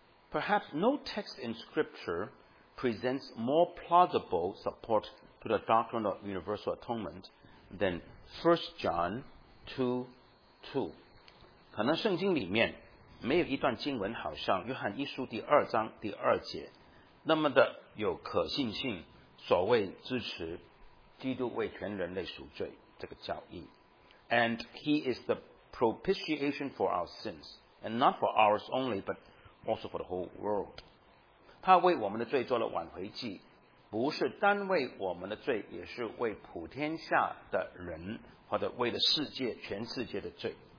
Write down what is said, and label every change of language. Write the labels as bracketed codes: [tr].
[en] Perhaps no text in Scripture presents more plausible support to the doctrine of universal atonement than 1 John 2:2， [zh] 可能圣经里面没有一段经文好像约翰一书第二章第二节那么的有可信性，所谓支持基督为全人类赎罪这个教义。 [en] And he is the propitiation for our sins, and not for ours only, but also for the whole world. [zh] 他为我们的罪做了挽回祭，不是单为我们的罪，也是为普天下的人，或者为了世界，全世界的罪。